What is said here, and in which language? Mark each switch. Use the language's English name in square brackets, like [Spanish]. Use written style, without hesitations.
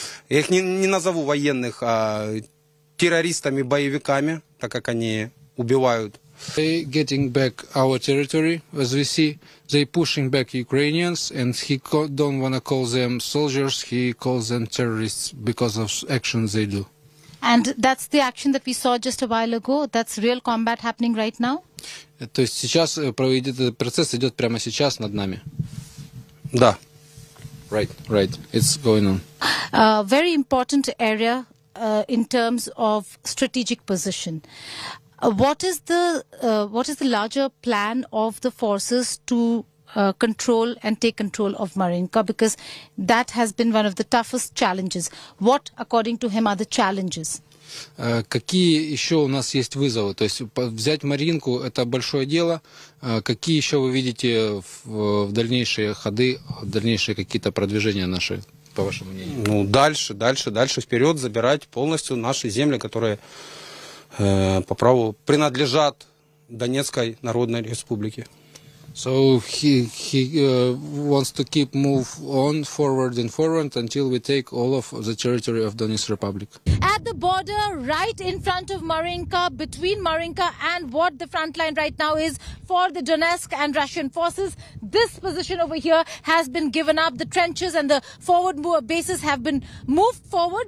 [Russian] Я их не назову военных, а террористами, боевиками, так как они убивают. [English] They getting back our territory, as we see. They pushing back Ukrainians, and he don't want to call them soldiers. He calls them terrorists because of actions they do. And that's the action that we saw just a while ago. That's real combat happening right now. [Russian] То есть сейчас проведет процесс идет прямо сейчас над нами. Да. [English] Right, right. It's going on. Very important area in terms of strategic position. What is the larger plan of the forces to control and take control of Marinka? Because that has been one of the toughest challenges. What, according to him, are the challenges? [Russian] Какие еще у нас есть вызовы? То есть взять Мариинку – это большое дело. Какие еще вы видите в дальнейшие ходы, в дальнейшие какие-то продвижения наши, по вашему мнению? Ну, дальше вперед забирать полностью наши земли, которые по праву принадлежат Донецкой Народной Республике. [English] So he wants to keep move on forward and forward until we take all of the territory of Donetsk Republic. At the border, right in front of Marinka, between Marinka and what the front line right now is for the Donetsk and Russian forces, this position over here has been given up. The trenches and the forward bases have been moved forward.